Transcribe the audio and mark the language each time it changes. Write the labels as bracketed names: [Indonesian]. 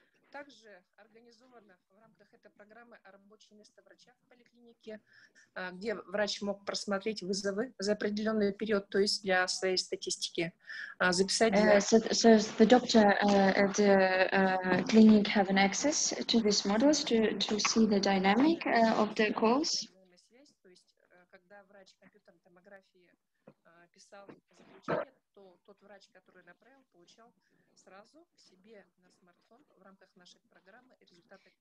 [Russian] Также организовано в рамках этой программы рабочее место врача в поликлинике, где врач мог просмотреть вызовы за определенный период, то есть для своей статистики, записать. [English] So the doctor at the clinic have an access to this model to see the dynamic of the calls. [Russian] То есть когда врач компьютерной томографии писал заключение, то тот врач, который направил, получал сразу себе на смартфон в рамках нашей программы результаты.